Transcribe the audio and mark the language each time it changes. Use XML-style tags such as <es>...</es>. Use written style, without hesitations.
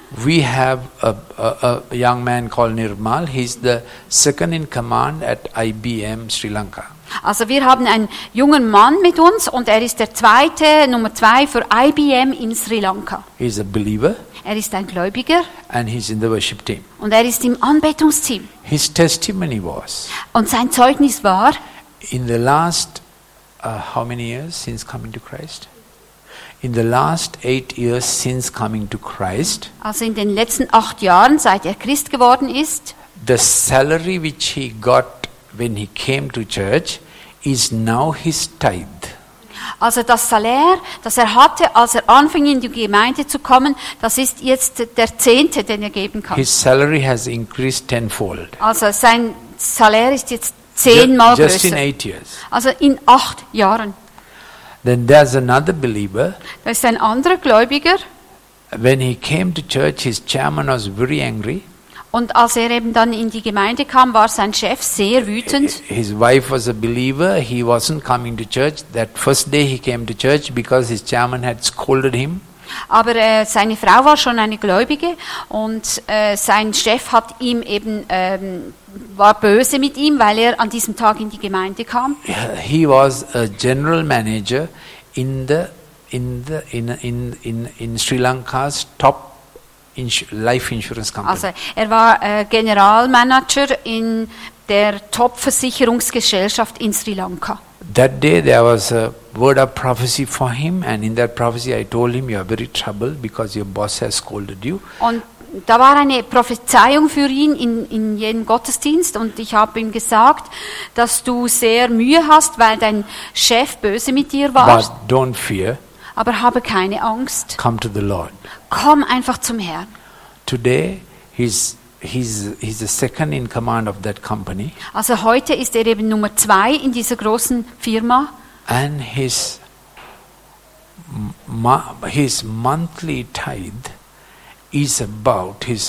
<en>We have a young man called Nirmal. He's the second in command at IBM Sri Lanka.</en> <de>Also wir haben einen jungen Mann mit uns und er ist der zweite, Nummer zwei für IBM in Sri Lanka.</de> <en>He is a believer.</en> <de>Er ist ein Gläubiger.</de> <en>And he's in the worship team.</en> <de>Und er ist im Anbetungsteam.</de> <en>His testimony was.</en> <de>Und sein Zeugnis war.</de> <en>In the last how many years since coming to Christ? In the last 8 years since coming to Christ.</en> <de>Also in den letzten 8 Jahren, seit er Christ geworden ist.</de> <en>The salary which he got when he came to church is now his tithe.</en> <de>Also das Salär, das er hatte, als er anfing in die Gemeinde zu kommen, das ist jetzt der Zehnte, den er geben kann.</de> <en>His salary has increased tenfold.</en> <de>Also sein Salär ist jetzt zehnmal größer.</de> <en>Just in 8 years.</en> <de>Also in 8 Jahren.</de> <en>Then there's another believer.</en> <de>Da ist ein anderer Gläubiger.</de> <en>When he came to church, his chairman was very angry.</en> <de>Und als er eben dann in die Gemeinde kam, war sein Chef sehr wütend.</de> <en>His wife was a believer. He wasn't coming to church. That first day he came to church because his chairman had scolded him.</en> <de>Aber seine Frau war schon eine Gläubige und sein Chef hat ihm eben war böse mit ihm, weil er an diesem Tag in die Gemeinde kam.</de> <en>He was a general manager in Sri Lankas top life insurance company.</en> <de>Also er war Generalmanager in der Top-Versicherungsgesellschaft in Sri Lanka.</de> <en>That day there was a word of prophecy for him and in that prophecy I told him you are very troubled because your boss has scolded you.</en> <de>Und da war eine Prophezeiung für ihn in jedem Gottesdienst und ich habe ihm gesagt, dass du sehr Mühe hast, weil dein Chef böse mit dir war.</de> <en>But don't fear.</en> <de>Aber habe keine Angst.</de> <en>Come to the Lord.</en> <de>Komm einfach zum Herrn.</de> <en>Today he's the second in command of that company.</en> <de>Also heute ist er eben Nummer zwei in dieser großen Firma.</de> <en>And his monthly tithe is about</en>